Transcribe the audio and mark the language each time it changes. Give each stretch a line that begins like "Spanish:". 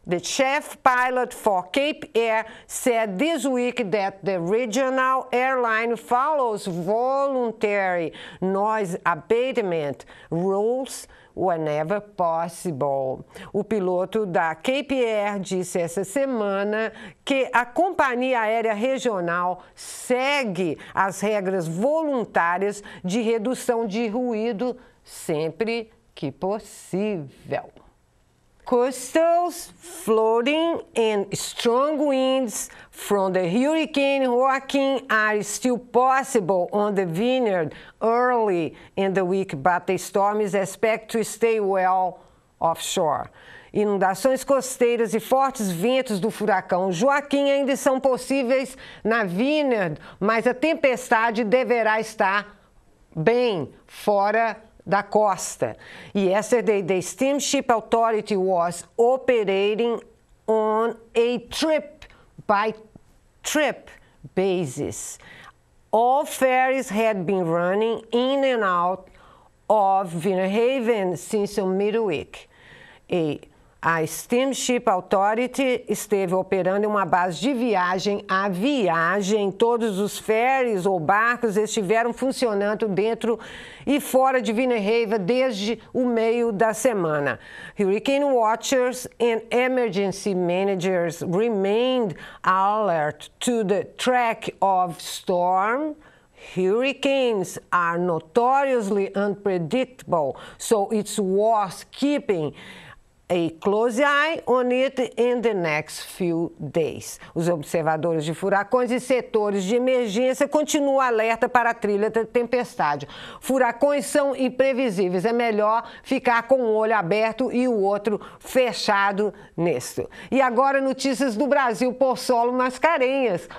English: The chief pilot for Cape Air said this week that the regional airline follows voluntary noise abatement rules whenever possible.
Portuguese: O piloto da Cape Air disse essa semana que a companhia aérea regional segue as regras voluntárias de redução de ruído sempre que possível.
English: Coastals flooding and strong winds from the hurricane Joaquin are still possible on the vineyard early in the week, but the storm is expected to stay well offshore.
Portuguese: Inundações costeiras e fortes ventos do furacão Joaquim ainda são possíveis na vineyard, mas a tempestade deverá estar bem fora da costa.
English: Yesterday, the Steamship Authority was operating on a trip-by-trip basis. All ferries had been running in and out of Vinha Haven since midweek.
Portuguese: A Steamship Authority esteve operando em uma base de viagem a viagem. Todos os ferries ou barcos estiveram funcionando dentro e fora de Vinha Haiva desde o meio da semana.
English: Hurricane watchers and emergency managers remained alert to the track of storm. Hurricanes are notoriously unpredictable, so it's worth keeping a close eye on it in the next few days.
Portuguese: Os observadores de furacões e setores de emergência continuam alerta para a trilha da tempestade. Furacões são imprevisíveis. É melhor ficar com um olho aberto e o outro fechado nisto. E agora notícias do Brasil por Solo Mascarenhas.